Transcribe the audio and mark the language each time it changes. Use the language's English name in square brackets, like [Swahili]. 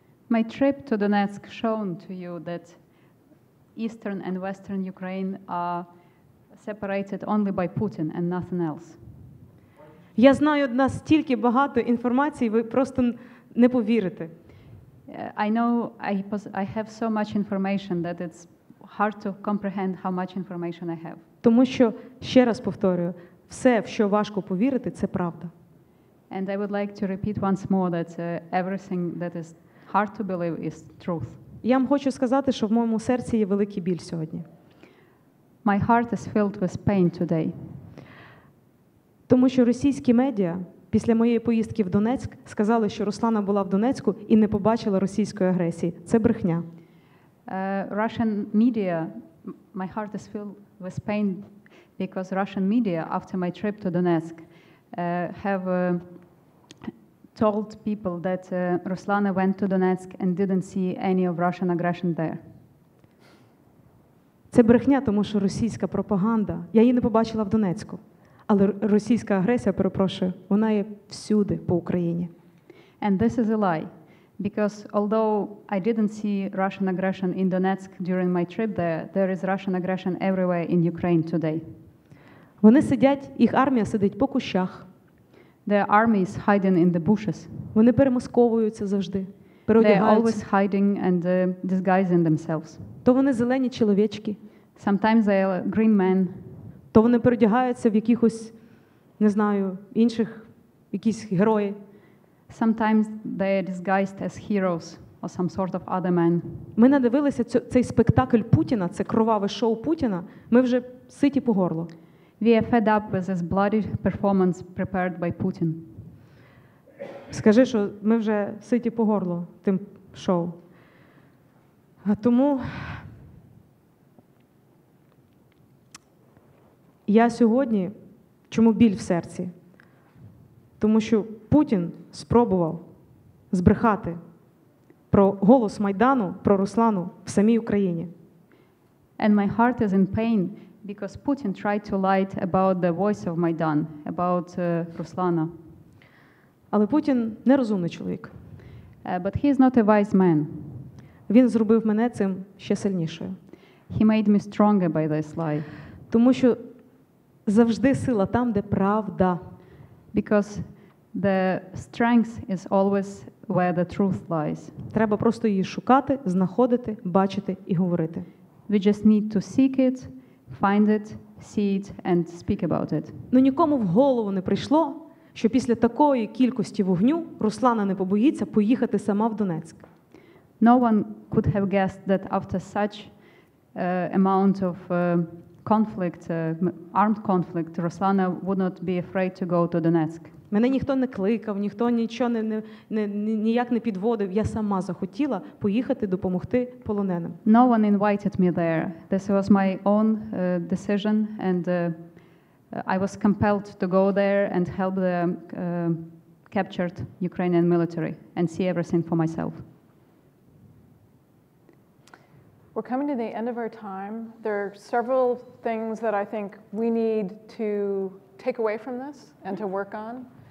[English] My trip to Donetsk shown to you that Eastern and Western Ukraine are separated only by Putin and nothing else. [Ukrainian] Я знаю, у нас стільки багато інформації, ви просто не повірите. [English] I have so much information that it's hard to comprehend how much information I have. [Ukrainian] Тому що, ще раз повторюю, все, в що важко повірити, це правда. [English] And I would like to repeat once more that everything that is hard to believe is truth. [Ukrainian] Я вам хочу сказати, що в моєму серці є великий біль сьогодні. [English] My heart is filled with pain today. [Ukrainian] Тому що російські медіа після моєї поїздки в Донецьк сказали, що Руслана була в Донецьку і не побачила російської агресії. Це брехня. [English] Russian media, my heart is filled with pain because Russian media after my trip to Donetsk have told people that Ruslana went to Donetsk and didn't see any of Russian aggression there. [Ukrainian] Це брехня, тому що російська пропаганда, я її не побачила в Донецьку. Але російська агресія, перепрошую, вона є всюди по Україні. [English] And this is a lie, because although I didn't see Russian aggression in Donetsk during my trip there, there is Russian aggression everywhere in Ukraine today. [Ukrainian] Вони сидять, їх армія сидить по кущах. [English] Their army is hiding in the bushes. [Ukrainian] Вони перемасковуються завжди, переодягаються. [English] They're always hiding and disguising themselves. [Ukrainian] То вони зелені чоловічки. [English] Sometimes they are green men. [Ukrainian] То вони переодягаються в якихось, не знаю, інших, якісь герої. [English] Sometimes they are disguised as heroes or some sort of other men. [Ukrainian] Ми надивилися цей спектакль Путіна, це кроваве шоу Путіна, ми вже ситі по горло. [English] We are fed up with this bloody performance prepared by Putin. [Ukrainian] Скажи, що ми вже ситі по горло тим шоу. А тому я сьогодні, чому біль в серці? Тому що Путін спробував збрехати про голос Майдану, про Руслану в самій Україні. [English] And my heart is in pain because Putin tried to lie about the voice of Maidan, about Ruslana. [Ukrainian] Але Путін нерозумний чоловік. [English] But he is not a wise man. [Ukrainian] Він зробив мене цим ще сильнішою. [English] He made me stronger by this lie. [Ukrainian] Тому що завжди сила там, де правда. [English] Because the strength is always where the truth lies. [Ukrainian] Треба просто її шукати, знаходити, бачити і говорити. [English] We just need to seek it, find it, see it and speak about it. [Ukrainian] Ну нікому в голову не прийшло, що після такої кількості вогню Руслана не побоїться поїхати сама в Донецьк. [English] No one could have guessed that after such amount of conflict, armed conflict, Ruslana would not be afraid to go to Donetsk. [Ukrainian] Мене ніхто не кликав, ніхто нічого ніяк не підводив. Я сама захотіла поїхати допомогти полоненим. [English] No one invited me there. This was my own decision and I was compelled to go there and help the captured Ukrainian military and see everything for myself. We're coming to the end of our time. There are several things that I think we need to take away from this and to work on.